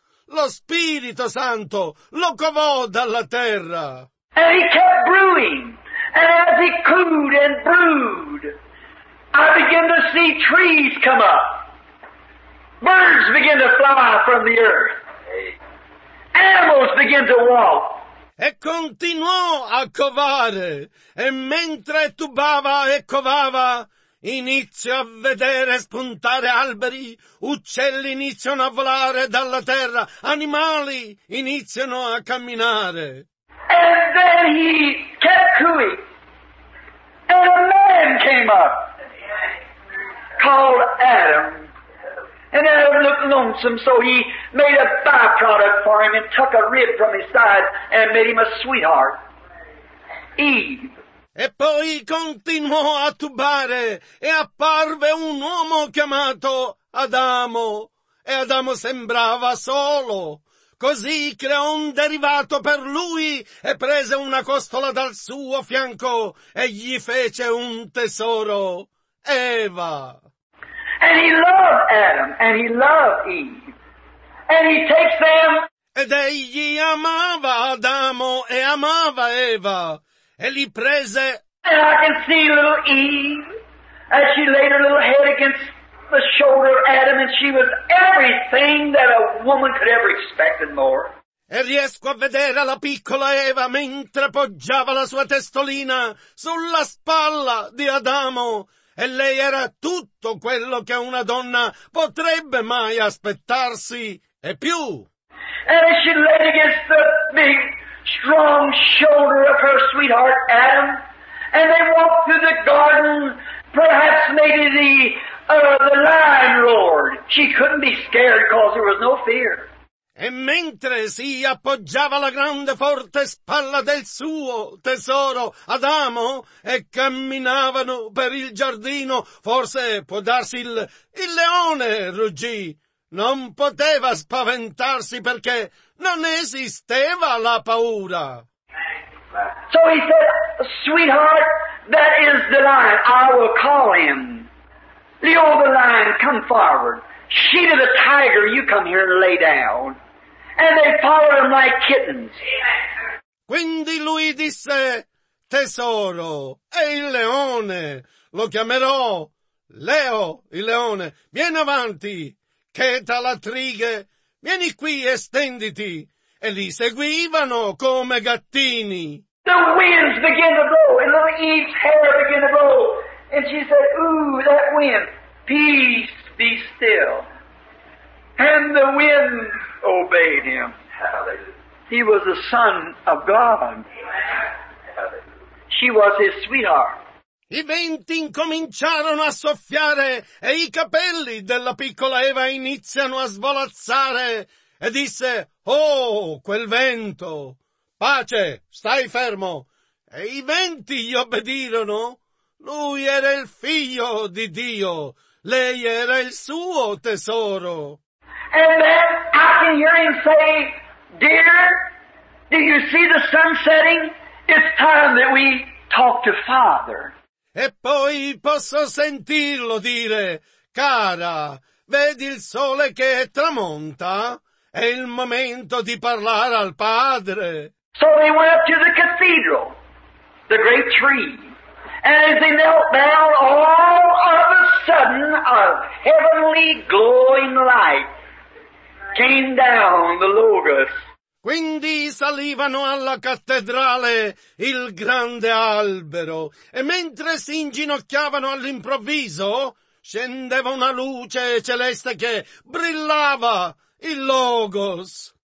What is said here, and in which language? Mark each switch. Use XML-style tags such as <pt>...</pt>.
<it>Lo Spirito Santo lo covò dalla terra.</it> <en>And he kept brewing, and as he cooed and brewed, I begin to see trees come up. Birds begin to fly from the earth. Animals begin to walk.</en> <it>E continuò a covare. E mentre tubava e covava, inizio a vedere spuntare alberi. Uccelli iniziano a volare dalla terra. Animali iniziano a camminare.</it> <en>And then he kept cooing. And a man came up. Called Adam, and Adam looked lonesome, so he made a byproduct for him and took a rib from his side and made him a sweetheart, Eve.</en> <it>E poi continuò a tubare e apparve un uomo chiamato Adamo, e Adamo sembrava solo. Così creò un derivato per lui e prese una costola dal suo fianco e gli fece un tesoro, Eva.</it> <en>And he loved Adam, and he loved Eve, and he takes them.</en> <it>Ed egli amava Adamo e amava Eva, e li prese.</it> <en>And I can see little Eve as she laid her little head against the shoulder of Adam, and she was everything that a woman could ever expect and more.</en> <it>E riesco a vedere la piccola Eva mentre poggiava la sua testolina sulla spalla di Adamo. E lei era tutto quello che una donna potrebbe mai aspettarsi e più.</it> <en>And as she laid against the big, strong shoulder of her sweetheart Adam, and they walked through the garden, perhaps maybe the lion roared. She couldn't be scared because there was no fear.</en> <it>E mentre si appoggiava la grande forte spalla del suo tesoro, Adamo, e camminavano per il giardino, forse può darsi il leone ruggì. Non poteva spaventarsi perché non esisteva la paura.</it> <en>So he said, sweetheart, that is the lion, I will call him. Leo the lion, come forward. Sheet of the tiger, you come here and lay down. And they followed him like kittens.</en> <it>Quindi lui disse, tesoro, è il leone, lo chiamerò Leo, il leone, vieni avanti, cheta la trighe, vieni qui e stenditi. E li seguivano come gattini.</it> <en>The winds began to blow, and little Eve's hair began to blow. And she said, ooh, that wind, peace, be still. And the wind obeyed him. Hallelujah. He was the son of God. Hallelujah. She was his sweetheart.</en> <it>I venti incominciarono a soffiare e i capelli della piccola Eva iniziano a svolazzare. E disse, oh, quel vento, pace, stai fermo. E i venti gli obbedirono. Lui era il figlio di Dio. Lei era il suo tesoro.</it> <en>And then I can hear him say, dear, do you see the sun setting? It's time that we talk to Father.</en> <it>E poi posso sentirlo dire, cara, vedi il sole che tramonta? È il momento di parlare al Padre.</it> <en>So they went up to the cathedral, the great tree. And as they knelt down, all of a sudden, a heavenly glowing light came down, the Logos.</en> <it>Quindi salivano alla cattedrale il grande albero, e mentre si inginocchiavano all'improvviso, scendeva una luce celeste che brillava, il Logos.</it>